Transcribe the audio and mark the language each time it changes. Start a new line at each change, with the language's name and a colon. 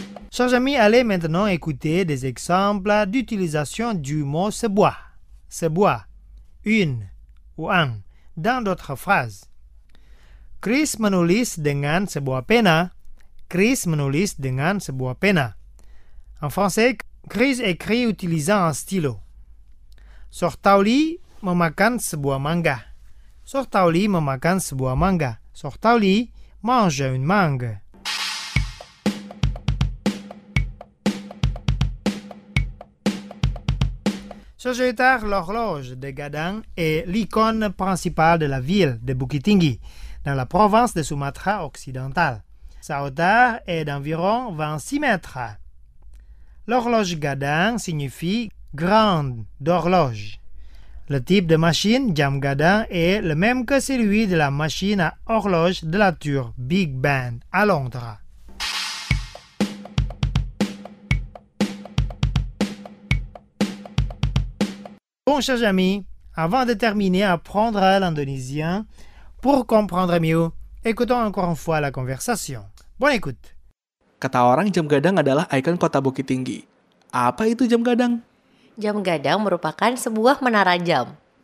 French: Chers amis, allez maintenant écouter des exemples d'utilisation du mot sebuah, sebuah, une ou un, dans d'autres phrases.
Indonesian: Chris menulis dengan sebuah pena. Chris menulis dengan sebuah pena.
French: En français, Chris écrit utilisant un stylo.
Indonesian: Sortauli memakan sebuah mangga. Sortauli memakan sebuah mangga.
French: Sortauli mange une mangue. Chers auditeurs, l'horloge de Gadang est l'icône principale de la ville de Bukittinggi, dans la province de Sumatra occidentale. Sa hauteur est d'environ 26 mètres. L'horloge gadang signifie « grande d'horloge ». Le type de machine jam gadang est le même que celui de la machine à horloge de la tour Big Ben à Londres. Bon, chers amis, avant de terminer, apprendre l'indonésien, pour comprendre mieux, écoutons encore une fois la conversation. Bonne écoute.
Indonesian: Kata orang, jam gadang adalah ikon kota Bukittinggi. Apa itu jam gadang? Jam gadang merupakan sebuah menara jam.